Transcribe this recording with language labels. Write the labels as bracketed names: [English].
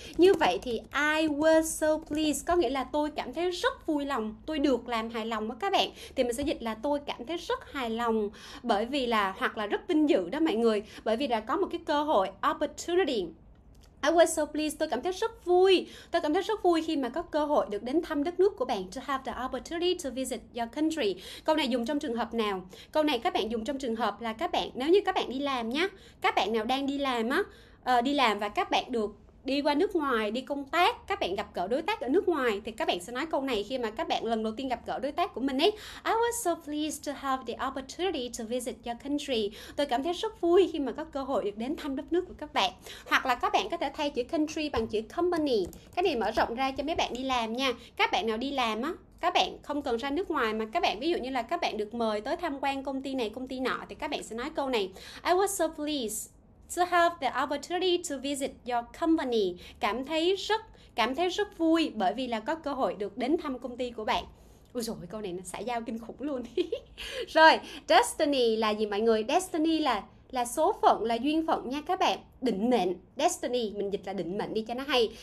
[Vietnamese] Như vậy thì [English] I was so pleased [Vietnamese] có nghĩa là tôi cảm thấy rất vui lòng, tôi được làm hài lòng với các bạn. Thì mình sẽ dịch là tôi cảm thấy rất hài lòng bởi vì là hoặc là rất vinh dự đó mọi người, bởi vì là có một cái cơ hội opportunity. [English] I was so pleased. [Vietnamese] Tôi cảm thấy rất vui. Tôi cảm thấy rất vui khi mà có cơ hội được đến thăm đất nước của bạn. [English] To have the opportunity to visit your country. [Vietnamese] Câu này dùng trong trường hợp nào? Câu này các bạn dùng trong trường hợp là các bạn, nếu như các bạn đi làm nhá. Các bạn nào đang đi làm á, đi làm và các bạn được đi qua nước ngoài, đi công tác, các bạn gặp gỡ đối tác ở nước ngoài thì các bạn sẽ nói câu này khi mà các bạn lần đầu tiên gặp gỡ đối tác của mình ấy. [English] I was so pleased to have the opportunity to visit your country. [Vietnamese] Tôi cảm thấy rất vui khi mà có cơ hội được đến thăm đất nước của các bạn. Hoặc là các bạn có thể thay chữ country bằng chữ company. Cái này mở rộng ra cho mấy bạn đi làm nha. Các bạn nào đi làm á, các bạn không cần ra nước ngoài mà các bạn ví dụ như là các bạn được mời tới tham quan công ty này, công ty nọ thì các bạn sẽ nói câu này. [English] I was so pleased to have the opportunity to visit your company. [Vietnamese] Cảm thấy rất vui bởi vì là có cơ hội được đến thăm công ty của bạn. Ôi dồi ôi, câu này nó xã giao kinh khủng luôn. Rồi, destiny là gì mọi người? Destiny là số phận, là duyên phận nha các bạn. Định mệnh, destiny mình dịch là định mệnh đi cho nó hay.